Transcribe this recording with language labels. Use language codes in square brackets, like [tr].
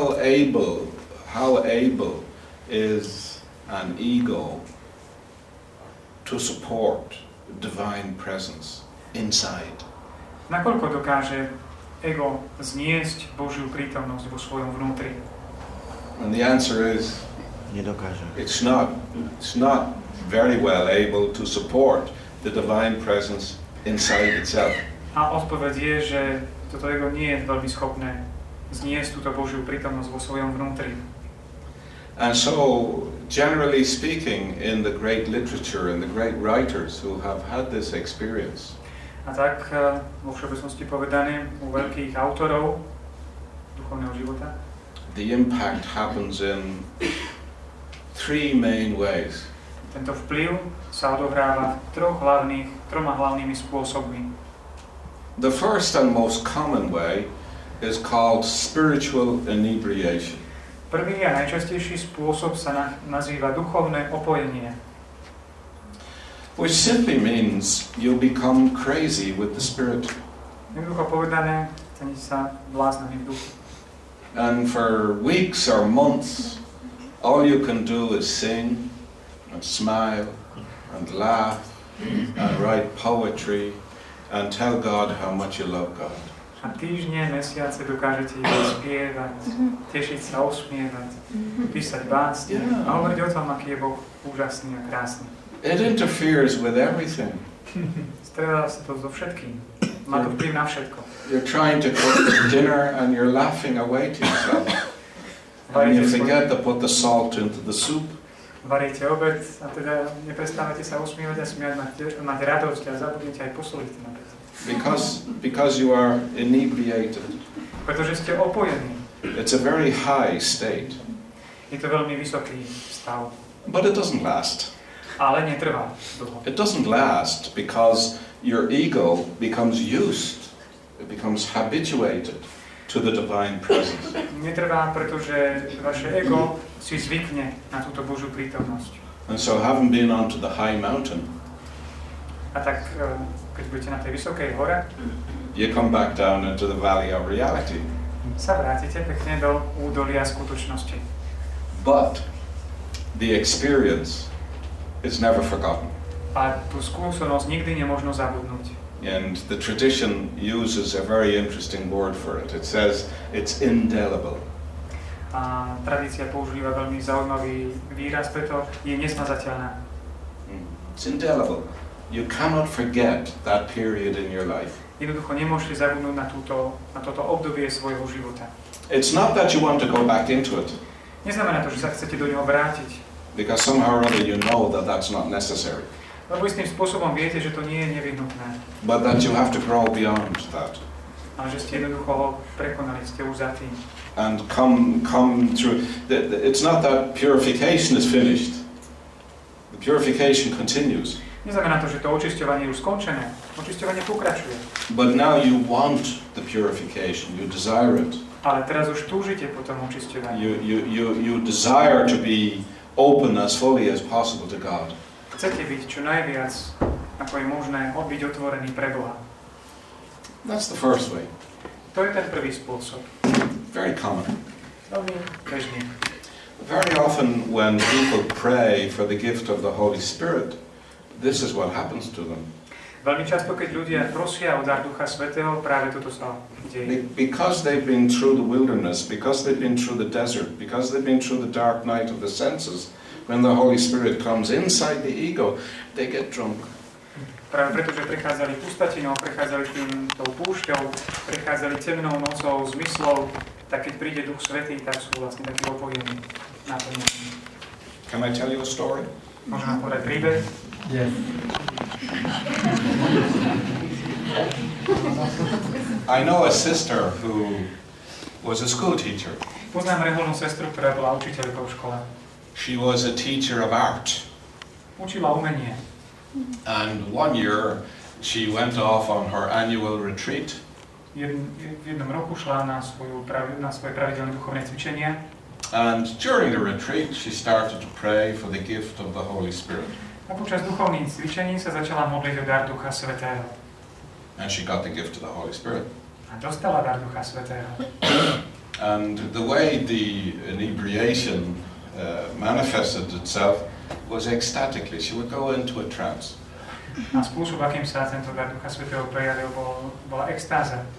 [en] How able is an ego to support divine presence inside? [sk] Nakoľko dokáže ego zniesť Božiu prítomnosť vo svojom vnútri? [en] And the answer is, [sk] nedokáže. [en] It's not very well able to support the divine presence inside itself. [sk] A odpoveď je, že toto ego nie je veľmi schopné zniesť túto Božiu prítomnosť vo svojom vnútri. [en] And so, generally speaking, in the great literature, in the great writers who have had this experience. [sk] A tak, vo všeobecnosti povedané, u veľkých autorov duchovného života. [en] The impact happens in three main ways. [sk] Tento vplyv sa odohráva troma hlavnými spôsobmi. [en] The first and most common way is called spiritual inebriation. [sk] Prvý a najčastejší spôsob sa nazýva duchovné opojenie. [en] Which simply means you become crazy with the spirit. [sk] Jednoducho povedané, stane sa bláznami v duchu. [en] And for weeks or months, all you can do is sing and smile and laugh and write poetry and tell God how much you love God. [sk] A týždne, mesiace dokážete spievať, tešiť sa, usmievať, písať básne, yeah. A hovoriť o tom, aký je Boh úžasný a krásny. [en] It interferes with everything. [sk] Stretá sa to so všetkým. Má to vplyv na všetko. [en] You're trying to cook dinner and you're laughing away to yourself. And you forget to put the salt into the soup. [sk] Varíte obed a teda neprestávate sa usmievať a smiať, mať radosť a zabudnete aj posoliť na obed. [en] Because you are inebriated. [sk] Pretože ste opojení. [en] It's a very high state. [sk] Je to veľmi vysoký stav. [en] But it doesn't last. [sk] Ale netrvá dlho. [en] It doesn't last because your ego becomes used. It becomes habituated to the divine presence. [sk] Netrvá, pretože vaše ego si zvykne na túto Božiu prítomnosť. [en] And so having been onto the high mountain. [sk] A tak keď budete na tej vysokej hore, [en] you come back down into the valley of reality. [sk] Sa vrátite pekne do údolia skutočnosti. [en] But the experience is never forgotten. [sk] A tú skúsenosť nikdy nemôžno zabudnúť. [en] And the tradition uses a very interesting word for it. It says it's indelible. [sk] A tradícia používa veľmi zaujímavý výraz pre to, je nesmazateľná. [en] It's indelible. You cannot forget that period in your life. [sk] Jednoducho nemôžete zabudnúť na toto obdobie svojho života. [en] It's not that you want to go back into it. [sk] Neznamená to, že sa chcete do neho vrátiť. [en] Because somehow or other you know that that's not necessary. [sk] Lebo istým spôsobom viete, že to nie je nevyhnutné. [en] But that you have to grow beyond that. [sk] A že ste jednoducho ho prekonali, ste už za tým. [en] And come through. It's not that purification is finished. The purification continues. [sk] Neznamená to, že to očisťovanie je už skončené. Očisťovanie pokračuje. [en] But now you want the purification. You desire it. [sk] Ale teraz už túžite po tom očisťovaní. [en] You desire to be open as fully as possible to God. [sk] Chcete byť čo najviac, ako je možné, byť otvorený pre Boha. [en] That's the first way. [sk] To je ten prvý spôsob. [en] Very common. [sk] Bežný. [en] Very often when people pray for the gift of the Holy Spirit, this is what happens to them. [sk] Veľmi často, keď ľudia prosia o dar Ducha Svätého, práve toto sa deje. [en] Because they've been through the wilderness, because they've been through the desert, because they've been through the dark night of the senses, when the Holy Spirit comes inside the ego, they get drunk. [sk] Práve preto, že prechádzali pustatinou, prechádzali týmto púšťou, prechádzali temnou nocou, zmyslov, tak keď príde Duch Svätý, tak sú vlastne takí opojení. [en] Can I tell you a story? [sk] Môžem povedať príbeh? [en] Yes. I know a sister who was a school teacher. [sk] Poznám reholnú sestru, ktorá bola učiteľkou v škole. [en] She was a teacher of art. [sk] Učila umenie. [en] And one year she went off on her annual retreat. [sk] V jednom roku šla na svoje pravidelné duchovné cvičenie. [en] And during the retreat she started to pray for the gift of the Holy Spirit. [sk] A počas duchovných cvičení sa začala modliť o dar Ducha Svätého. [en] And she got the gift of the Holy Spirit. [sk] A dostala dar Ducha Svätého. [en] And the way the inebriation manifested itself was ecstatically. She would go into a trance. [sk] A spôsob, akým sa tento dar Ducha Svätého prejavil, bola extáza.